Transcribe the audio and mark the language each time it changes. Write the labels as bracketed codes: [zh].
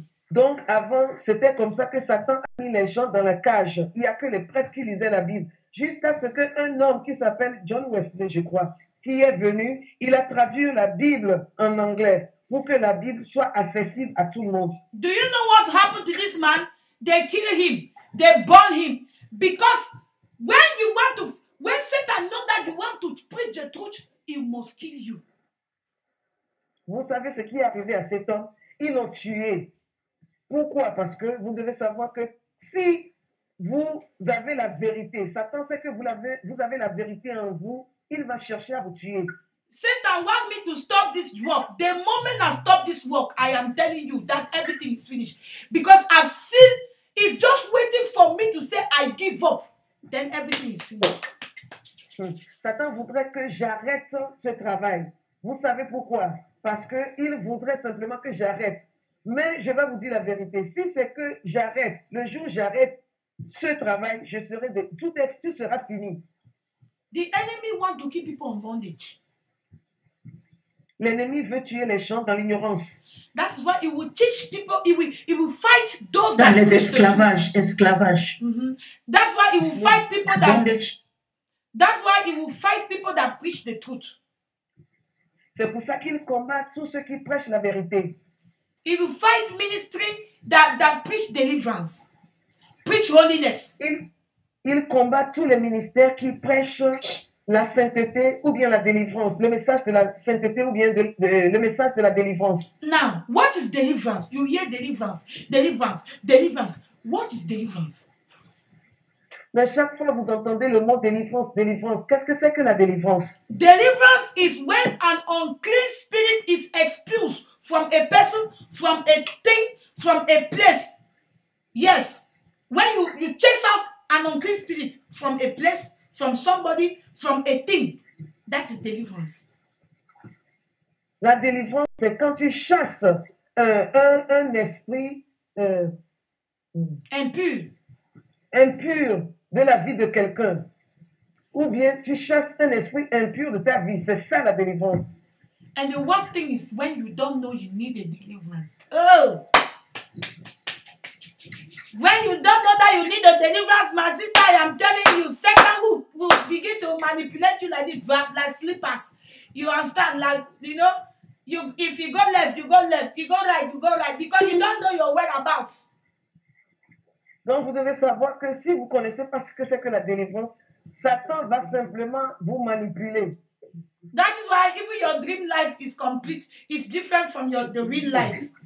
[fr] Donc avant, c'était comme ça que Satan a mis les gens dans la cage. Il n'y a que les prêtres qui lisaient la Bible. Jusqu'à ce qu'un homme qui s'appelle John Wesley, je crois, qui est venu, il a traduit la Bible en anglais pour que la Bible soit accessible à tout le monde. [en] Do you know what happened to this man? They killed him. They burned him. Because when Satan knows that you want to preach the truth, he must kill you. [fr] Vous savez ce qui est arrivé à cet homme? Ils l'ont tué. Pourquoi? Parce que vous devez savoir que si vous avez la vérité, Satan sait que vous avez la vérité en vous, il va chercher à vous tuer. [en] Satan want me to stop this work. The moment I stop this work, I am telling you that everything is finished. Because I've seen, it's just waiting for me to say I give up. Then everything is finished. [fr] Satan voudrait que j'arrête ce travail. Vous savez pourquoi? Parce qu'il voudrait simplement que j'arrête. Mais je vais vous dire la vérité. Si c'est que j'arrête, le jour où j'arrête ce travail, tout sera fini. [en] The enemy want to keep people in bondage. [fr] L'ennemi veut tuer les gens dans l'ignorance. [en] That is why he will teach people, he will fight those [fr] dans les esclavages, [en] That's why he will fight people That's why he will fight people that preach the truth. [fr] C'est pour ça qu'il combat tous ceux qui prêchent la vérité. [en] He will fight ministry that preach deliverance. Preach holiness. [fr] Il combat tous les ministères qui prêchent la sainteté ou bien la délivrance. Le message de la sainteté ou bien le message de la délivrance. [en] Now, what is deliverance? You hear deliverance, deliverance, deliverance. What is deliverance? [fr] Mais chaque fois vous entendez le mot délivrance, délivrance. Qu'est-ce que c'est que la délivrance? [en] Deliverance is when an unclean spirit is expelled from a person, from a thing, from a place. Yes. When you chase out an unclean spirit from a place, from somebody, from a thing, that is deliverance. [fr] La délivrance, c'est quand tu chasses un esprit impur de la vie de quelqu'un, ou bien tu chasses un esprit impur de ta vie. C'est ça la délivrance. [en] And the worst thing is when you don't know you need a deliverance. Oh! When you don't know that you need a deliverance, my sister, I am telling you, Satan will begin to manipulate you like slippers. You understand? Like, you know, you if you go left, you go left. You go right, you go right. Because you don't know your whereabouts. [fr] Donc, vous devez savoir que si vous ne connaissez pas ce que c'est que la délivrance, Satan va simplement vous manipuler. [en] That is why even your dream life is complete. It's different from your the real life.